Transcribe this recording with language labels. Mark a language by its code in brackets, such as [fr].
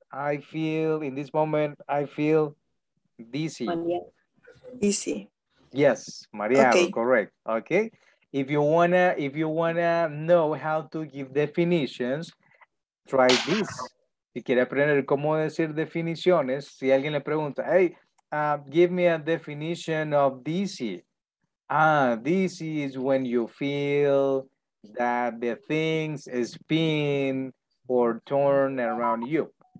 [en] I feel, in this moment, I feel dizzy. Dizzy. Yes, Maria, okay. Correct. Okay. If you wanna know how to give definitions, try this. [es] Si quiere aprender cómo decir definiciones, si alguien le pregunta, [en] hey, give me a definition of dizzy. Dizzy is when you feel that the things spin or turn around you.